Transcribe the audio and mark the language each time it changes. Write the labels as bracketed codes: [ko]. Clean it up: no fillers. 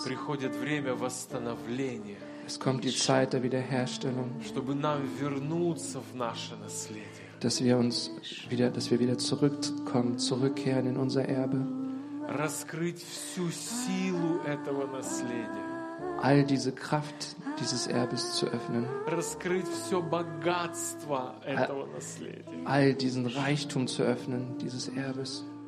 [ru] Приходит время восстановления. [de] Es kommt die Zeit der Wiederherstellung. [ru] Чтобы нам вернуться в наше наследие. [de] Dass wir uns wieder, dass wir wieder zurückkommen, zurückkehren in unser Erbe. [ru] Раскрыть всю силу этого наследия. [de] All diese Kraft dieses Erbes zu öffnen. [ru] Раскрыть все богатство этого наследия. [de] All diesen Reichtum zu öffnen, dieses Erbes.